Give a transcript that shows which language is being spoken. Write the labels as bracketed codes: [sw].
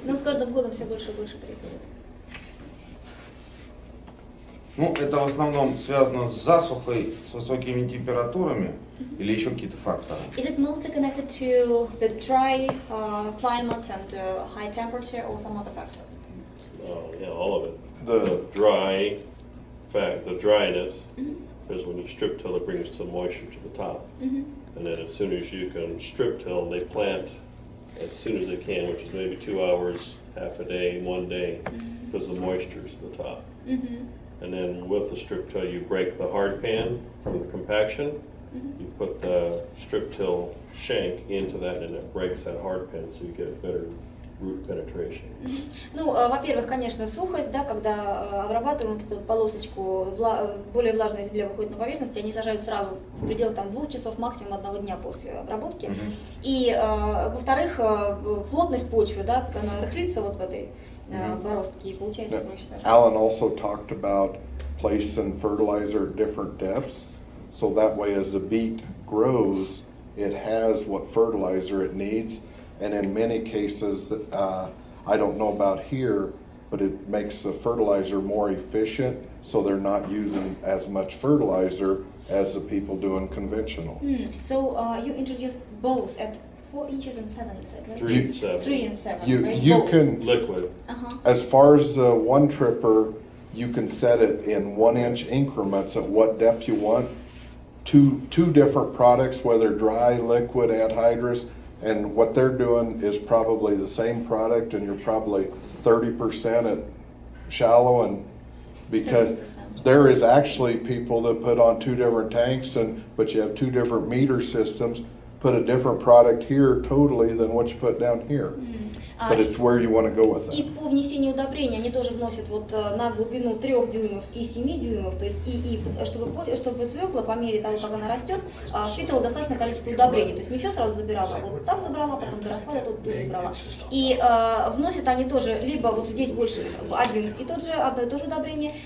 [ru] Но с каждым годом все больше и больше приходит. Ну, это в основном связано с засухой, с высокими температурами mm-hmm. или еще какие-то факторы? [en] Is it mostly connected to the dry climate and high temperature or some other factors? Yeah, all of it. The dryness, mm-hmm. is when you strip till it brings some moisture to the top. Mm-hmm. And then as soon as you can strip till, they plant as soon as they can, which is maybe 2 hours, half a day, 1 day, mm-hmm. because the moisture is at the top. Mm-hmm. And then with the strip till, you break the hard pan from the compaction. Mm-hmm. You put the strip till shank into that, and it breaks that hard pan, so you get a better root penetration. Mm-hmm. [ru] Ну, во-первых, конечно, сухость, да, когда обрабатываем вот эту полосочку, более влажное земля выходит на поверхность, они сажают сразу в пределах там 2 часов максимум 1 дня после обработки. Mm-hmm. И во-вторых, плотность почвы, да, как она рыхлится вот в этой. Mm-hmm. [en] Alan also talked about placing fertilizer at different depths, so that way as the beet grows, it has what fertilizer it needs, and in many cases, I don't know about here, but it makes the fertilizer more efficient, so they're not using as much fertilizer as the people doing conventional. Mm. So you introduced both at 4 inches and 7, you said, right? 3 and 7. 3 and 7, you, right? You can, liquid. Uh-huh. As far as the one tripper, you can set it in 1 inch increments at what depth you want. Two different products, whether dry, liquid, anhydrous, and what they're doing is probably the same product, and you're probably 30% at shallow, and because 70%. There is actually people that put on two different tanks, and but you have two different meter systems, put a different product here totally than what you put down here. Mm. But it's where you want to go with it. [ru] И по внесению удобрения они тоже вносят вот на глубину 3 дюймов и 7 дюймов, то есть и чтобы свекла по мере того, как она растет, впитывала достаточное количество удобрений. То есть не все сразу забирала, вот там забрала, потом доросла, я тут забрала. И вносят они тоже либо вот здесь больше одно и то же удобрение.